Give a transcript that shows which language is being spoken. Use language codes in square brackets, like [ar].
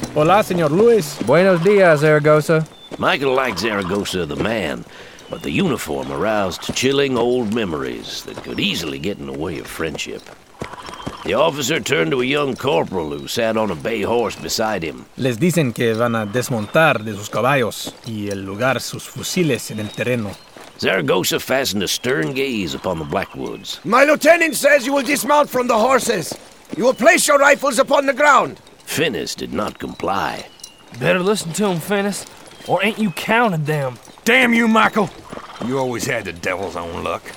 [es] "Hola, Señor Luis. Buenos días, Zaragoza." [en] Michael liked Zaragoza the man, but the uniform aroused chilling old memories that could easily get in the way of friendship. The officer turned to a young corporal who sat on a bay horse beside him. [es] "Les dicen que van a desmontar de sus caballos y el lugar sus fusiles en el terreno." [en] Zaragoza fastened a stern gaze upon the Blackwoods. "My lieutenant says you will dismount from the horses. You will place your rifles upon the ground." Finis did not comply. "Better listen to him, Finis, or ain't you counted them?" "Damn you, Michael! You always had the devil's own luck."